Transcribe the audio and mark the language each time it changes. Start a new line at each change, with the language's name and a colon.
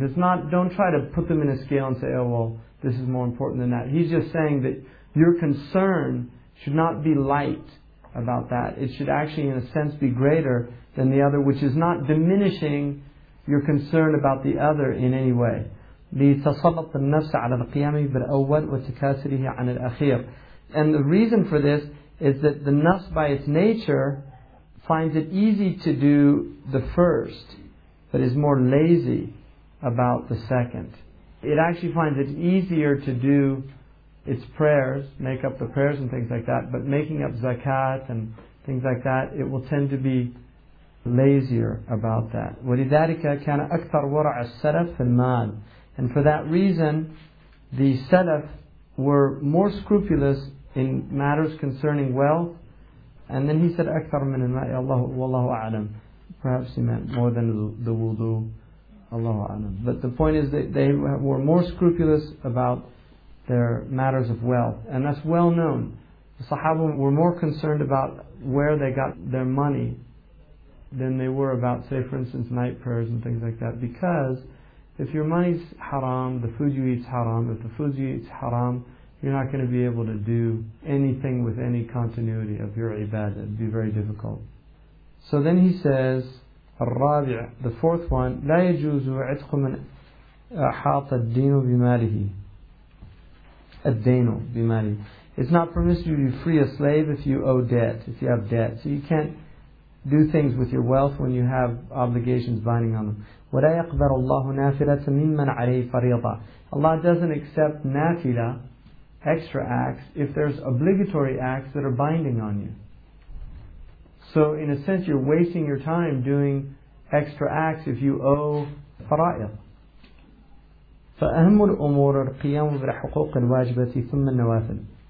English: It's not, don't try to put them in a scale and say, oh well, this is more important than that. He's just saying that your concern should not be light about that. It should actually, in a sense, be greater than the other, which is not diminishing your concern about the other in any way.
Arabic: لتسلط النفس على القيام بالأول وتكاسره عن الأخير.
English: And the reason for this is that the nafs by its nature finds it easy to do the first, but is more lazy about the second. It actually finds it easier to do its prayers, make up the prayers and things like that, but making up zakat and things like that, it will tend to be lazier about that.
Arabic: وَلِذَٰلِكَ كَانَ أَكْثَرْ وَرَعَ السَّلَفِ فِي الْمَالِ.
English: And for that reason, the salaf were more scrupulous in matters concerning wealth. And then he said,
Arabic: أكثر من الماء والله أعلم.
English: Perhaps he meant more than the wudu. Allahu A'lam. But the point is that they were more scrupulous about their matters of wealth. And that's well known. The Sahaba were more concerned about where they got their money than they were about, say, for instance, night prayers and things like that. Because if your money's haram, the food you eat's haram. If the food you eat's haram, you're not going to be able to do anything with any continuity of your ibadah. It'd be very difficult. So then he says,
Arabic: الرابع,
English: the fourth one,
Arabic: لا يجوز عتق من أحاط الدين بماله. الدين بماله.
English: It's not permissible to free a slave if you owe debt, if you have debt. So you can't do things with your wealth when you have obligations binding on them.
Arabic: ولا يقبل الله نافلة ممن عليه فريضة.
English: Allah doesn't accept nafila, extra acts, if there's obligatory acts that are binding on you. So in a sense, you're wasting your time doing extra acts if you owe fara'id.
Arabic: فَأَهْمُ الْأُمُورَ الْقِيَامُ بِالْحُقُوقِ الْوَاجِبَةِ ثُمَّ النَّوَافِلِ.